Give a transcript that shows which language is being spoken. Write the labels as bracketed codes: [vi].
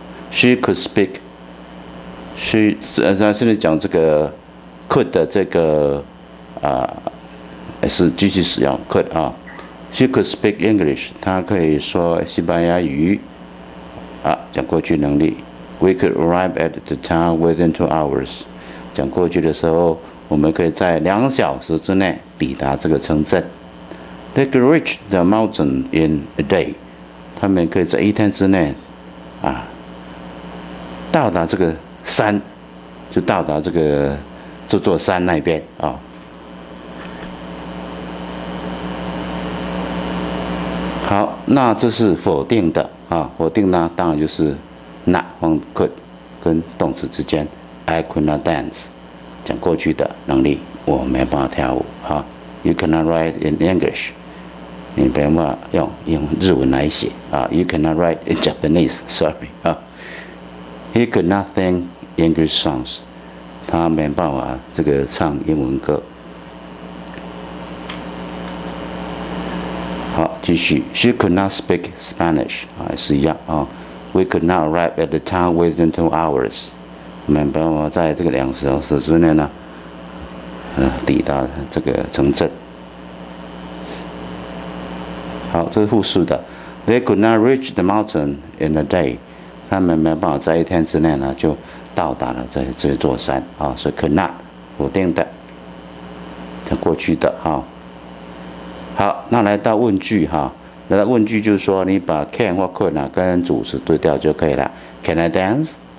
[en] She could speak. [zh] She 现在讲这个 could 的这个啊，是继续使用 could 啊。 [en] She could speak English. [zh] 她可以说西班牙语啊，讲过去能力。 [en] We could arrive at the town within 2 hours. [zh] 讲过去的时候，我们可以在2小时之内抵达这个城镇。 [en] They could reach the mountain in a day. [zh] 他们可以在1天之内啊。到达这个山，就到达这个这座山那边啊，哦。好，那这是否定的啊，哦，否定呢，当然就是 not 放 could 跟动词之间。 [en] I could not dance， [zh] 讲过去的能力，我没办法跳舞啊，哦。 [en] You cannot write in English， [zh] 你没办法用日文来写啊，哦。 [en] You cannot write in Japanese， sorry 啊，哦。 He could not sing English songs. [zh] 他没办法这个唱英文歌。好，继续。 [en] She could not speak Spanish. [zh] 还是一样啊。 [en] We could not arrive at the town within 2 hours. [zh] 没办法在这个2小时之内呢，抵达这个城镇。好，这是复述的。 [en] They could not reach the mountain in a day. [zh] 他们没办法在一天之内呢就到达了这座山啊，所以 could not 否定的，在过去的哈。好，那来到问句哈，那问句就是说你把 can 或 could 呢跟主词对调就可以了。 [en] Can I dance?